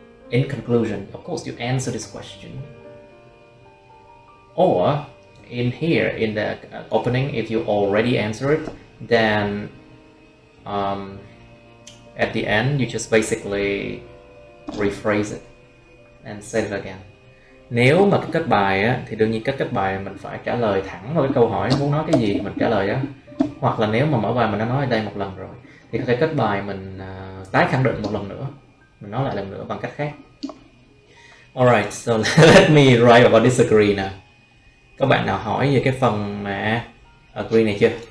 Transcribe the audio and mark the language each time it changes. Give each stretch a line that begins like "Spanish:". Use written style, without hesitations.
English: In conclusion, of course, you answer this question. Or, in here, in the opening, if you already answer it, then at the end, you just basically rephrase it and say it again.
Vietnamese: Nếu mà cái kết bài á, thì đương nhiên cái kết bài mình phải trả lời thẳng vào cái câu hỏi muốn nói cái gì thì mình trả lời á. Hoặc là nếu mà mở bài mình đã nói ở đây một lần rồi, thì có thể kết bài mình tái khẳng định một lần nữa, mình nói lại lần nữa bằng cách khác.
English: Alright, so let me write about disagree now.
Vietnamese: Các bạn nào hỏi về cái phần mà agree này chưa?